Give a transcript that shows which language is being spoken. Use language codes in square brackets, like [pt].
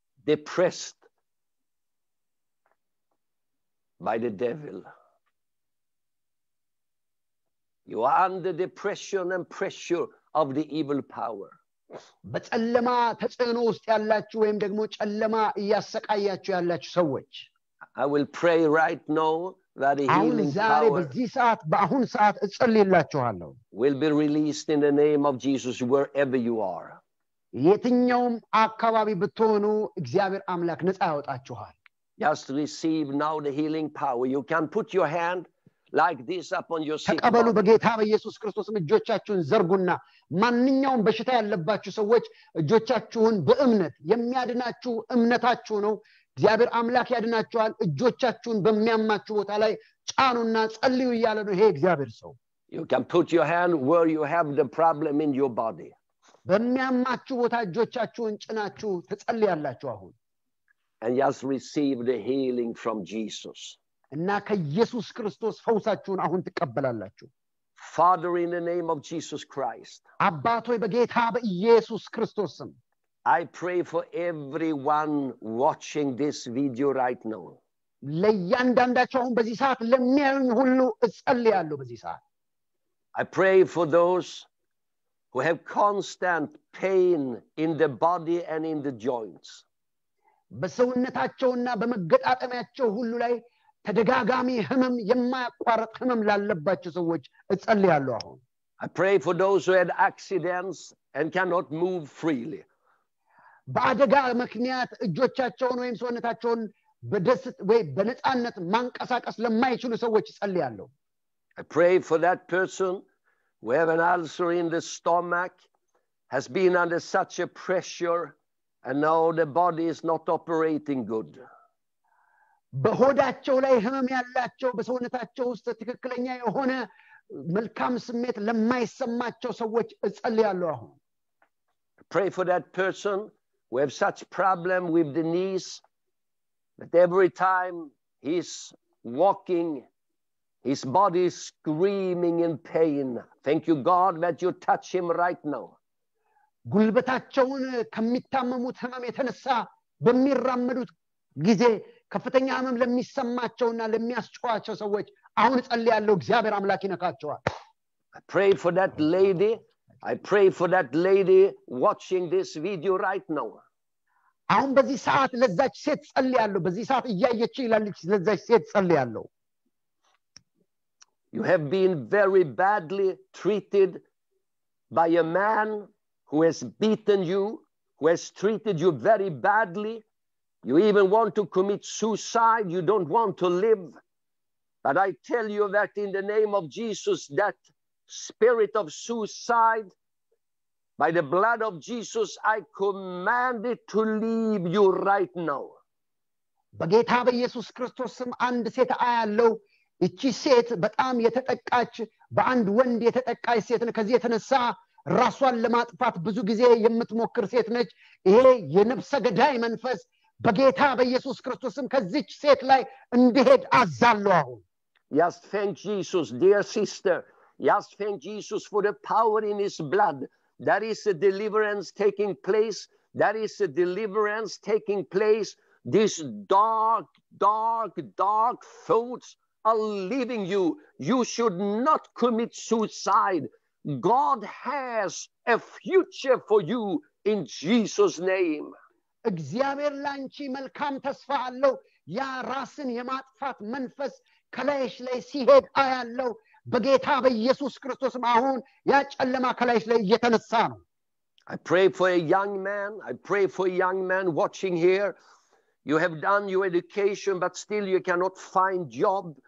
[en] depressed by the devil you are under depression and pressure of the evil power [am] በጨለማ ተጽዕኖ ውስጥ ያላችሁ ወይም ደግሞ ጨለማ እያሰቃያችሁ ያላችሁ ሰዎች [en] I will pray right now that the healing [am] በአሁን ሰዓት እጸልይላችኋለሁ [en] will be released in the name of Jesus wherever you are [am] የትኛውም አካባቢ ብትሆኑ እግዚአብሔር አምላክ ነጻ ያወጣችኋል [en] just receive now the healing power you can put your hand like this upon your sick [am] ተቀበሉ በጌታ በኢየሱስ ክርስቶስ እጆቻችሁን ዘርጉና ማንኛውም በሽታ ያለባችሁ ሰዎች እጆቻችሁን በእምነት የሚያድናችሁ እምነታችሁ ነው እግዚአብሔር አምላክ ያድናችኋል እጆቻችሁን በሚያማችሁ ቦታ ላይ ጫኑና ጸልዩ ይያለ ነው ይሄ እግዚአብሔር ሰው [en] you can put your hand where you have the problem in your body [am] በሚያማችሁ ቦታ እጆቻችሁን ጭናችሁ ተጸልያላችሁ አሁን [en] and just receive the healing from Jesus [am] እና ከኢየሱስ ክርስቶስ ፈውሳችሁን አሁን ተቀበላላችሁ [en] father in the name of Jesus Christ [am] አባት ሆይ በጌታ በኢየሱስ ክርስቶስ ስም [en] I pray for everyone watching this video right now. [am] ለእያንዳንዳችሁ በዚህ ሰዓት ለሚያዩኝ ሁሉ እጸልያለሁ በዚህ ሰዓት. [en] I pray for those who have constant pain in the body and in the joints. [am] በሰውነታቸውና በመገጣጠሚያቸው ሁሉ ላይ ተደጋጋሚ ህመም የማያቋርጥ ህመም ላለባቸው ሰዎች እጸልያለሁ አሁን. [en] I pray for those who had accidents and cannot move freely. [am] በአደጋ ምክንያት እጆቻቸውን ወይም ሰውነታቸውን በደስት ወይ በነጻነት ማንቀሳቀስ ለማይችሉ ሰዎች ጸልያለሁ. [en] I pray for that person who have an ulcer in the stomach has been under such a pressure and now the body is not operating good. [am] በሆዳቸው ላይ ህመም ያላቸው በሰውነታቸው ውስጥ ትክክለኛ የሆነ መልካም ስሜት ለማይሰማቸው ሰዎች ጸልያለሁ አሁን. [en] I pray for that person We have such problem with the knees that every time he's walking his body is screaming in pain. Thank you God that you touch him right now. [am] ጉልበታቸውን ከመታመሙት ህመም የተነሳ በሚራመዱት ጊዜ ከፍተኛ ህመም ለሚሰማቸውና ለሚያስጨዋቸው ሰዎች አሁን ጸልያለሁ እግዚአብሔር አምላክ ይነካቸዋል. [en] I pray for that lady. I pray for that lady watching this video right now. [am] አሁን በዚህ ሰዓት ለዛች ሴት ጸልያለሁ በዚህ ሰዓት እያየች ይላልች ለዛች ሴት ጸልያለሁ. [en] You have been very badly treated by a man who has beaten you, who has treated you very badly. You even want to commit suicide. You don't want to live. But I tell you that in the name of Jesus, that spirit of suicide, by the blood of Jesus, I command it to leave you right now. [am] በጌታ በኢየሱስ ክርስቶስም አንድ ሴት አያለው እቺ ሴት በጣም የተጠቃች በአንድ ወንድ የተጠቃች ሴት ነች ከዚህ የተነሳ ራሷን ለማጥፋት ብዙ ጊዜ የምትሞክር ሴት ነች ይሄ የነፍሰ ገዳይ መንፈስ በጌታ በኢየሱስ ክርስቶስም ከዚህች ሴት ላይ እንዲሄድ አዛለው አሁን [en] Yes, thank Jesus, dear sister. Yes, thank Jesus for the power in his blood. That is a deliverance taking place. That is a deliverance taking place. These dark, dark, dark thoughts are leaving you. You should not commit suicide. God has a future for you in Jesus' name. [am] እግዚአብሔር ላንቺ መልካም ተስፋ አለው ያ ራስን የማጥፋት መንፈስ ከላይሽ ላይ ሲሄድ አያለው በጌታ በኢየሱስ ክርስቶስም አሁን ያ ጨለማ ከላይሽ ላይ እየተነሳ ነው። [en] I pray for a young man. I pray for a young man watching here. You have done your education, but still you cannot find job.